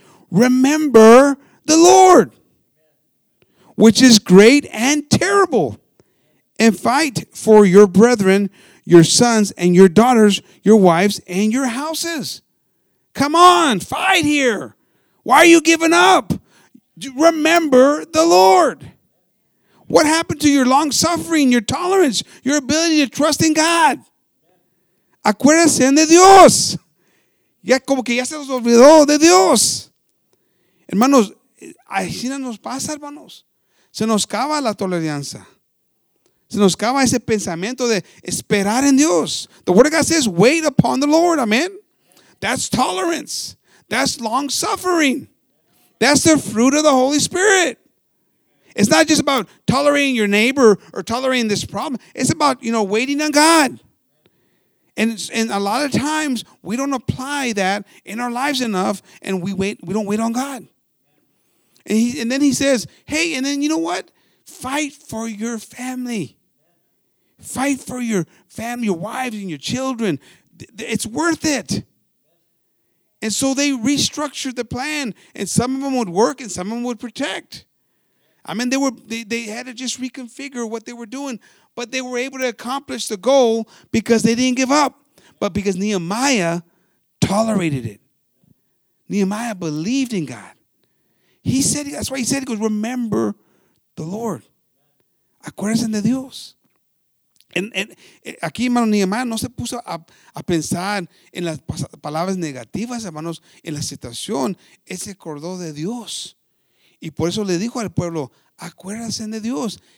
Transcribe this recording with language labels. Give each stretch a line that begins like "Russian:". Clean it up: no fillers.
English: Remember the Lord, which is great and terrible, and fight for your brethren, your sons and your daughters, your wives and your houses. Come on, fight here. Why are you giving up? Remember the Lord. What happened to your long suffering, your tolerance, your ability to trust in God?
Spanish: Acuérdense de Dios. Ya como que ya se nos olvidó de Dios. Hermanos, así nos pasa, hermanos. Se nos acaba la tolerancia. Se nos acaba ese pensamiento de esperar en Dios.
English: The word of God says, wait upon the Lord. Amen. That's tolerance. That's long suffering. That's the fruit of the Holy Spirit. It's not just about tolerating your neighbor or tolerating this problem. It's about, you know, waiting on God. And a lot of times we don't apply that in our lives enough, and we don't wait on God. And then he says, hey, and then you know what? Fight for your family. Fight for your family, your wives and your children. It's worth it. And so they restructured the plan, and some of them would work and some of them would protect. I mean, they had to just reconfigure what they were doing, but they were able to accomplish the goal because they didn't give up, but because Nehemiah tolerated it. Nehemiah believed in God. He said, that's why he said, he goes, remember the Lord.
Spanish: Acuérdense de Dios. Aquí, hermano, Nehemiah no se puso a pensar en las palabras negativas, hermanos, en la situación. Él se acordó de Dios. Y por eso le dijo al pueblo, acuérdense de Dios.